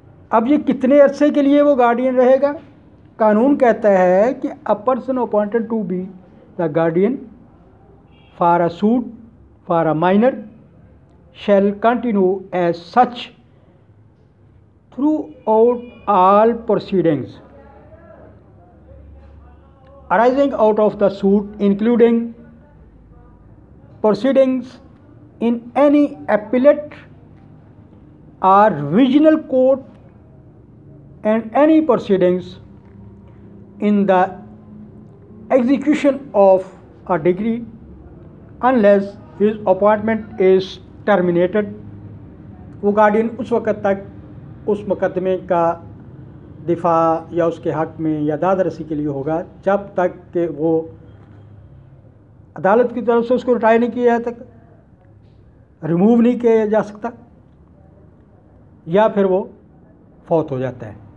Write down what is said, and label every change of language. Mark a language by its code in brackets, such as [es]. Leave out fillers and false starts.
[ur] اب یہ کتنے عرصے کے لیے وہ گارڈین رہے گا؟ قانون کہتا ہے کہ [en] A person appointed to be the guardian for a suit for a minor shall continue as such throughout all proceedings arising out of the suit including proceedings in any appellate our regional court and any proceedings in the execution of a decree unless his appointment is terminated. [ur] وہ guardian اس وقت تک اس مقدمے کا دفاع یا اس کے حق میں یا داد رسی کے لیے ہوگا جب تک کہ وہ عدالت کی طرف سے اس کو ریٹائر نہیں کیا جائے تک, ریموو نہیں کیا جا سکتا یا پھر وہ فوت ہو جاتا ہے.